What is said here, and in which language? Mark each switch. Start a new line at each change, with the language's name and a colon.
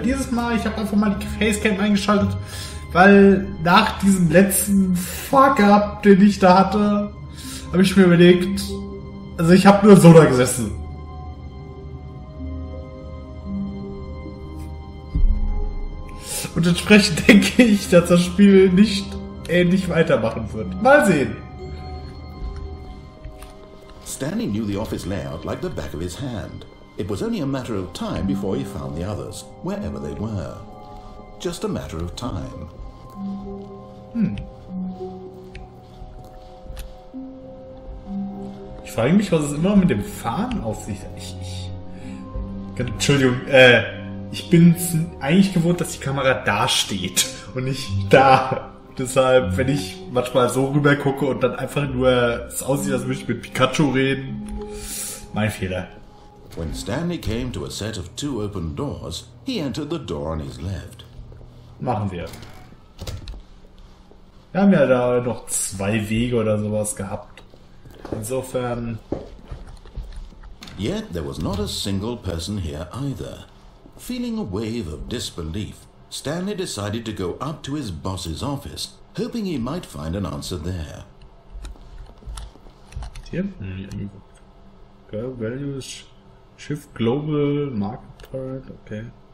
German: Dieses Mal, ich habe einfach mal die Facecam eingeschaltet, weil nach diesem letzten Fuck-up, den ich da hatte, habe ich mir überlegt, also ich habe nur so da gesessen. Und entsprechend denke ich, dass das Spiel nicht ähnlich weitermachen wird. Mal sehen.
English: Stanley knew the office layout like the back of his hand. It was only a matter of time before he found the others, wherever they were. Just a matter of time.
German: Ich frage mich, was es immer mit dem Fahren auf sich hat. Entschuldigung, ich bin es eigentlich gewohnt, dass die Kamera da steht und nicht da. Deshalb, wenn ich manchmal so rüber gucke und dann einfach nur es aussieht, als würde ich mit Pikachu reden. Mein Fehler.
English: When Stanley came to a set of two open doors, he entered the door on his left.
German: Machen wir. Wir haben ja da noch zwei Wege oder sowas gehabt. Insofern.
English: Yet there was not a single person here either. Feeling a wave of disbelief, Stanley decided to go up to his boss's office, hoping he might find an answer there. Hier? Girl values shift global market part, okay.